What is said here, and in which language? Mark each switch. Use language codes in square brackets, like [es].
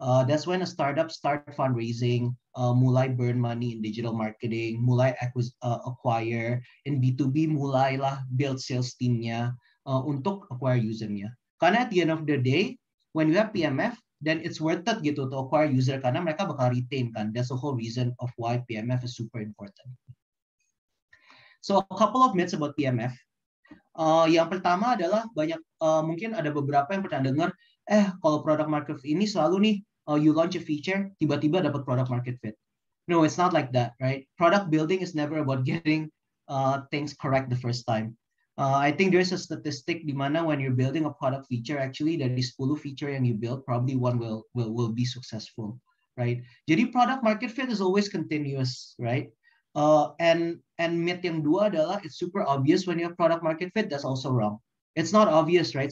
[en] That's when a startup start fundraising, mulai burn money in digital marketing, mulai acquire, in B2B mulailah build sales team-nya untuk acquire user-nya. Karena at the end of the day, when you have PMF, then it's worth it gitu to acquire user, karena mereka bakal retain kan. That's the whole reason of why PMF is super important. So a couple of myths about PMF. [id] Yang pertama adalah banyak mungkin ada beberapa yang pernah dengar, kalau product market ini selalu nih you launch a feature tiba-tiba dapat product market fit. [en] No, it's not like that, right? Product building is never about getting things correct the first time. I think there's a statistic di mana when you're building a product feature, actually dari 10 feature yang you build, probably one will be successful, right? Jadi product market fit is always continuous, right? And myth yang dua adalah it's super obvious when you have product market fit. That's also wrong. It's not obvious, right?